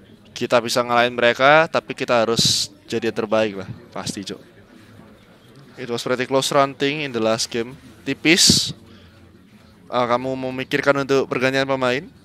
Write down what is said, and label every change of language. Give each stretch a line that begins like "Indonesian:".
Indonesian: Kita bisa ngalahin mereka, tapi kita harus jadi yang terbaik lah, pasti Jo.
English: It was pretty close running in the last game.
Indonesian: Tipis. Kamu memikirkan untuk pergantian pemain?